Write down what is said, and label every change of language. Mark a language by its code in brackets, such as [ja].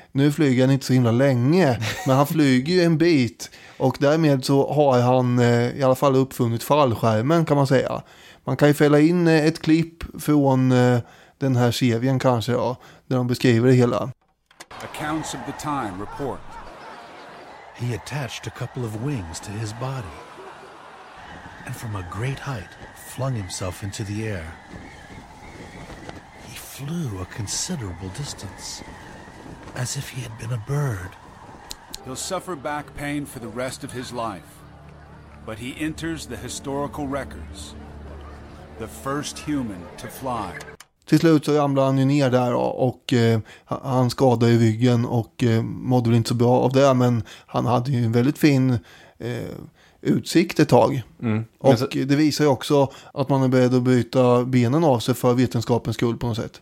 [sv] Nu flyger han inte så himla länge, men han flyger ju en bit. Och därmed så har han i alla fall uppfunnit fallskärmen, kan man säga. Man kan ju fälla in ett klipp från den här serien kanske, ja, där de beskriver det hela. [en] Accounts of the time report. He attached a couple of wings to his body and from a great height flung himself into the air. He flew a considerable distance as if he had been a bird. He'll suffer back pain for the rest of his life, but he enters the historical records. The first human to fly. [sv] Till slut så ramlade han ju ner där och han skadade i ryggen och mådde väl inte så bra av det, men han hade ju en väldigt fin utsikt ett tag. Mm. Och så, det visar ju också att man är beredd att bryta benen av sig för vetenskapens skull på något sätt.